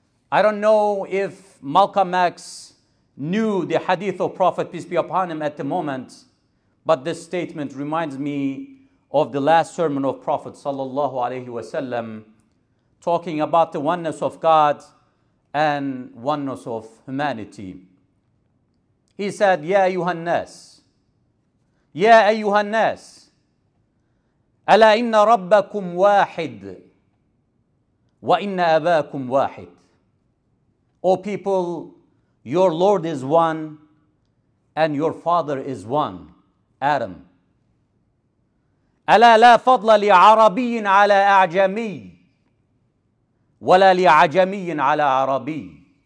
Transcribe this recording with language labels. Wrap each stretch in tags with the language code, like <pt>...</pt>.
<en>I don't know if Malcolm X knew the hadith of Prophet, peace be upon him, at the moment, but this statement reminds me of the last sermon of Prophet, sallallahu alaihi wasallam, talking about the oneness of God and oneness of humanity. He said, Ya Yuhannas, Ya Ayuhannas,</en> <ar>ألا إن ربكم واحد وإن أباكم واحد.</ar> <en>O people, your Lord is one and your father is one, Adam.</en> <ar>ألا لا فضل لعربي على أعجمي ولا لعجمي على عربي.</ar>